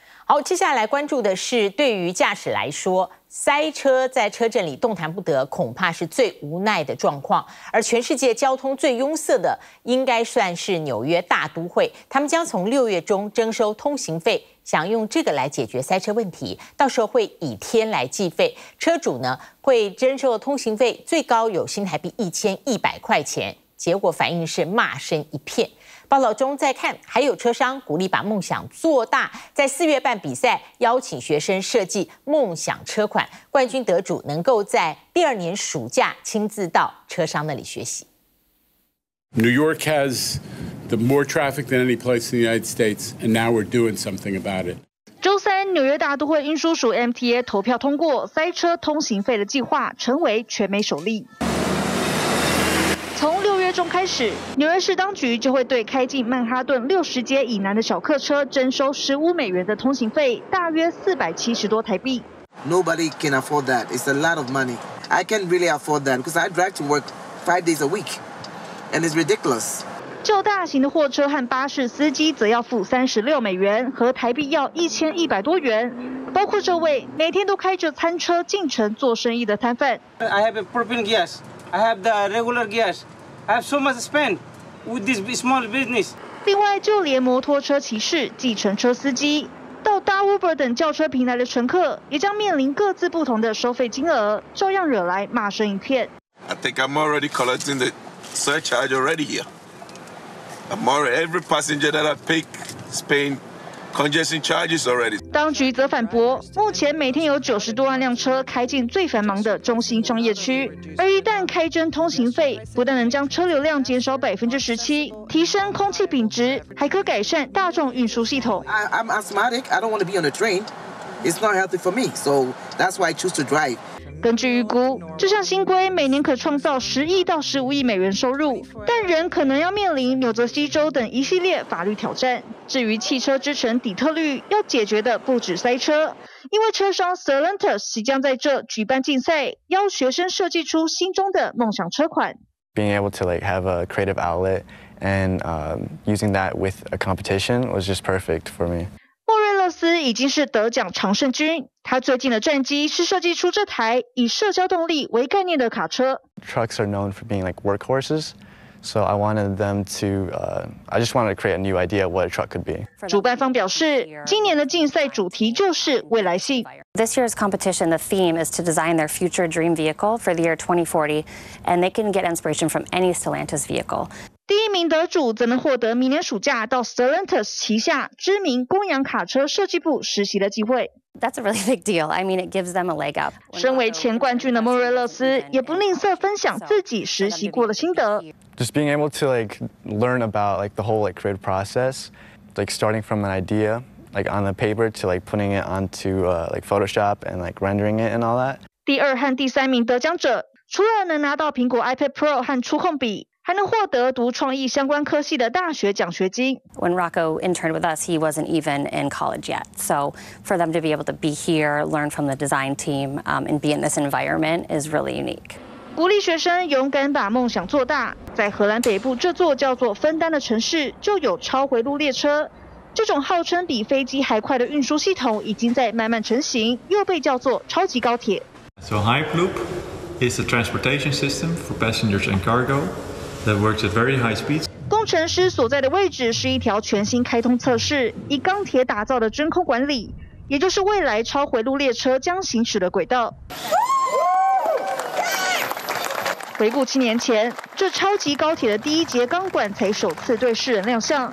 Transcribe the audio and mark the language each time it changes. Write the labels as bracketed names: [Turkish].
[Chinese] 好，接下来关注的是对于驾驶来说，塞车在车阵里动弹不得恐怕是最无奈的状况，而全世界交通最拥塞的应该算是纽约大都会，他们将从六月中征收通行费，想用这个来解决塞车问题，到时候会以天来计费，车主呢会征收通行费最高有新台币1100块钱，结果反应是骂声一片。报道中再看，还有车商鼓励把梦想做大，在四月办比赛，邀请学生设计梦想车款，冠军得主能够在第二年暑假亲自到车商那里学习。 [English] New York has the more traffic than any place in the United States, and now we're doing something about it. [Chinese] 周三，纽约大都会运输署 MTA 投票通过塞车通行费的计划，成为全美首例。从六月中开始，纽约市当局就会对开进曼哈顿60街以南的小客车征收$15的通行费，大约470多台币。 [English] Nobody can afford that. It's a lot of money. I can't really afford that because I drive to work 5 days a week, and it's ridiculous. [Chinese] 就大型的货车和巴士司机则要付$36，和台币要1100多元。包括这位每天都开着餐车进城做生意的摊贩。 [English] I have a propane gas. I have the regular gas. I have so much spend with this small business. [Chinese] 另外，就连摩托车骑士、计程车司机到搭 Uber 等轿车平台的乘客，也将面临各自不同的收费金额，照样惹来骂声一片。 [English] I think I'm already collecting the surcharge already here. Tomorrow, every passenger that I pick is paying congestion charges already. [Chinese] 当局则反驳，目前每天有90多万辆车开进最繁忙的中心商业区，而一旦开征通行费，不但能将车流量减少17%，提升空气品质，还可改善大众运输系统。 [English] I'm asthmatic. I don't want to be on the train. It's not healthy for me. So that's why I choose to drive. [Chinese] 根据预估，这项新规每年可创造$10亿到$15亿收入，但仍可能要面临纽泽西州等一系列法律挑战。至于汽车之城底特律，要解决的不止塞车，因为车商 Stellantis 即将在这举办竞赛，邀学生设计出心中的梦想车款。 [English] Being able to like have a creative outlet and using that with a competition was just perfect for me. [Chinese] 莫瑞勒斯已经是得奖常胜军，他最近的战绩是设计出这台以社交动力为概念的卡车。 [English] Trucks are known for being like workhorses, so I wanted them to, I just wanted to create a new idea what a truck could be. [Chinese] 主办方表示，今年的竞赛主题就是未来性。 [English] This year's competition, the theme is to design their future dream vehicle for the year 2040, and they can get inspiration from any Stellantis vehicle. [Chinese] 第一名得主则能获得明年暑假到 Stellantis 旗下知名公羊卡车设计部实习的机会。 [English] That's a really big deal. I mean, it gives them a leg up. [Chinese] 身为前冠军的莫瑞勒斯也不吝啬分享自己实习过的心得。 [English] Just being able to like learn about like the whole like creative process, like starting from an idea, like on the paper to like putting it onto like Photoshop and like rendering it and all that. [Chinese] 第二和第三名得奖者除了能拿到苹果 iPad Pro 和触控笔。还能获得读创意相关科系的大学奖学金。 [English] When Rocco interned with us, he wasn't even in college yet. So for them to be able to be here, learn from the design team, and be in this environment is really unique. [Chinese] 鼓励学生勇敢把梦想做大。在荷兰北部这座叫做芬丹的城市，就有超回路列车。这种号称比飞机还快的运输系统已经在慢慢成型，又被叫做超级高铁。 [English] So Hyperloop is a transportation system for passengers and cargo. That works at very high speeds. [Chinese] 工程师所在的位置是一条全新开通测试，以钢铁打造的真空管理，也就是未来超回路列车将行驶的轨道。回顾7年前，这超级高铁的第一节钢管才首次对世人亮相。